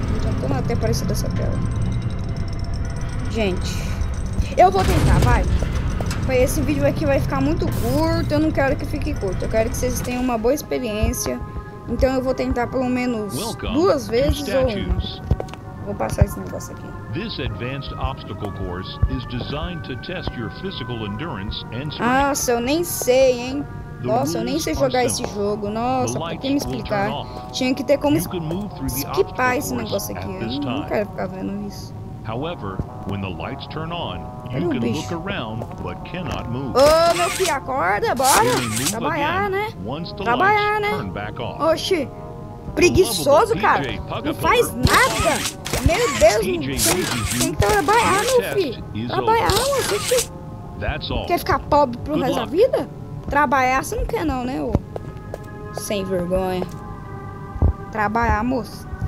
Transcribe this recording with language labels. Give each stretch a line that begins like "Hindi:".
Portuguese: Já tô até aparecendo essa tela. Gente, eu vou tentar, vai. Esse vídeo aqui vai ficar muito curto. Eu não quero que fique curto. Eu quero que vocês tenham uma boa experiência. Então eu vou tentar pelo menos duas vezes ou uma. Vou passar esse negócio aqui.
English: This advanced obstacle course is designed to test your physical endurance and strength.
Portuguese: Nossa, eu nem sei, hein? Nossa, eu nem sei jogar esse jogo. Nossa, por que me explicar? Tinha que ter como skipar esse negócio aqui. Eu não quero ficar vendo isso.
English: However, when the lights turn on, you can look around but cannot move.
Portuguese: Ô, meu filho, acorda, bora trabalhar, né? Trabalhar, né? Oxi, preguiçoso, cara. Não faz nada. Meu Deus, tem que trabalhar, meu filho. Trabalhar, ué. Quer ficar pobre pro resto da vida? Trabalhar você não quer, não, né, ô? Sem vergonha. Trabalhar, moço.